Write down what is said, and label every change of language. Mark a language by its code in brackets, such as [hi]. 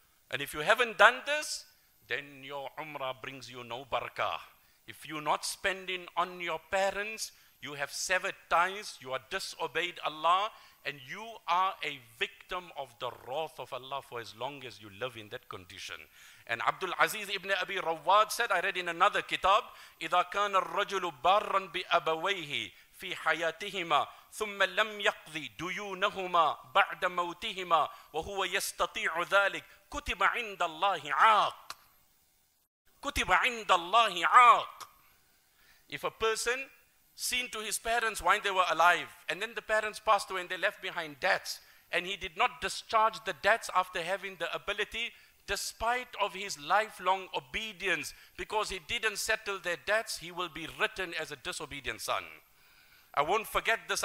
[en] And if you haven't done this, then your umrah brings you no barakah. If you're not spending on your parents, You have severed ties, you are disobeyed Allah, and you are a victim of the wrath of Allah for as long as you live in that condition. And Abdul Aziz ibn Abi Rawad said, I read in another kitab, [ar] إِذَا كَانَ الرَّجُلُ بَارًا بِأَبَوَيْهِ فِي حَيَاتِهِمَا ثُمَّ لَمْ يَقْضِي دُيُونَهُمَا بَعْدَ مَوْتِهِمَا وَهُوَ يَسْتَطِيعُ ذَلِكَ كُتِبَ عِنْدَ اللَّهِ عَاقٍ كُتِبَ عِنْدَ اللَّهِ عَاقٍ. [en] If a person seen to his parents while they were alive, and then the parents passed away and they left behind debts, and he did not discharge the debts after having the ability, despite of his lifelong obedience, because he didn't settle their debts, he will be written as a disobedient son. I won't forget this.